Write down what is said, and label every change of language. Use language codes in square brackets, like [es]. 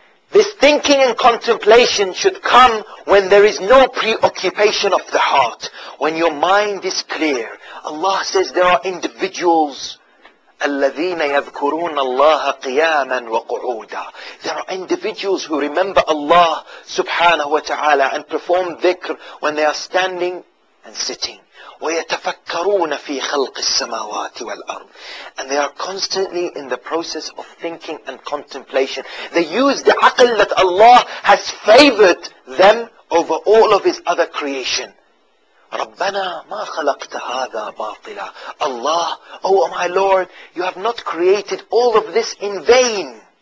[en] This thinking and contemplation should come when there is no preoccupation of the heart, when your mind is clear. Allah says there are individuals, [ar] الَّذِينَ يَذْكُرُونَ اللَّهَ قِيَامًا وَقُعُودًا. [en] There are individuals who remember Allah subhanahu wa ta'ala and perform dhikr when they are standing and sitting. [ar] ويتفكرون في خلق السماوات والأرض. [en] And they are constantly in the process of thinking and contemplation. They use the عقل that Allah has favored them over all of His other creation. [ar] ربنا ما خلقت هذا باطلا. [en] Allah, oh my Lord, you have not created all of this in vain.